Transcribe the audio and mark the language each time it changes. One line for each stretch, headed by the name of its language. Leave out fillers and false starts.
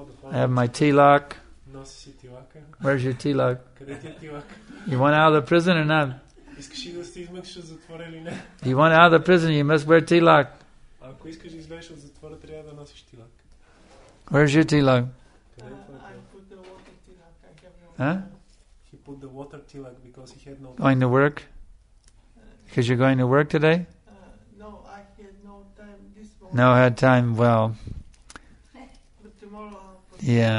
English: I have my tilak. Where's your tilak? You want out of the prison or not? If you want out of the prison, you must wear tilak.
Bulgarian: Ако искаш да излезеш от затвора, трябва да носиш тилак.
English: Where is your tilak? He put the water tilak because he had no time. Going to work? Because you're going to work today? No, I had no time this morning. No, I had time, well. But tomorrow I'll